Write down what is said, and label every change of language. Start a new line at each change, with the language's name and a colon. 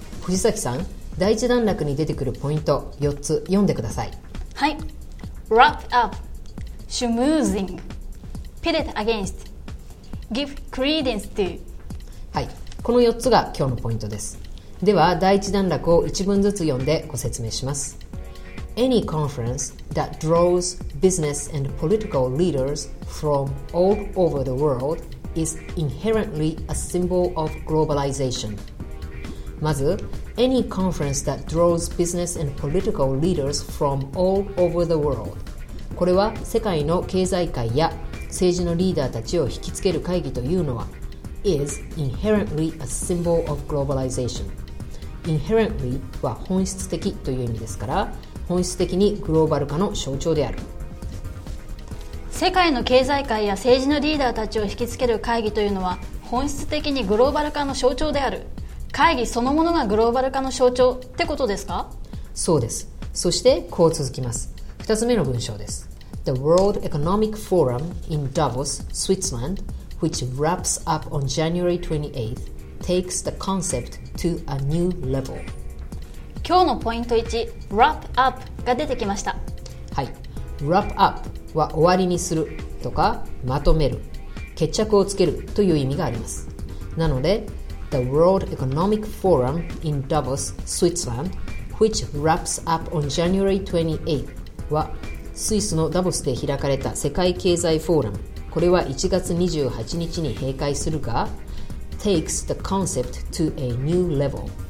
Japanese: 藤崎さん、第一段落に出てくるポイント4つ読んでください。
English: はい。Wrap up Schmoozing Pit against Give credence to。
Japanese: はい、この4つが今日のポイントです。では第一段落を1文ずつ読んでご説明します。
English: any conference that draws business and political leaders from all over the world is inherently a symbol of globalization. まず、any conference that draws business and political leaders from all over the world。
Japanese: これは世界の経済界や政治のリーダーたちを引きつける会議というのは、
English: is inherently a symbol of globalization。
Japanese: Inherently は本質的という意味ですから、本質的にグローバル化の象徴である。世界の経済界や政治のリーダーたちを引きつける会議というのは、本質的にグローバル化の象徴である。会議そのものがグローバル化の象徴ってことですか？そうです。そしてこう続きます。2つ目の文章です。
English: The World Economic Forum in Davos, Switzerland, which wraps up on January 28th, takes the concept to a new level.
Japanese: 今日のポイント1、wrap up が出てきました。はい。 wrap up は終わりにするとか、まとめる、決着をつけるという意味があります。
English: なので、The World Economic Forum in Davos, Switzerland, which wraps up on January 28th, は、
Japanese: スイスのダボスで開かれた世界経済フォーラム、これは1月28日に閉会するが、
English: takes the concept to a new level。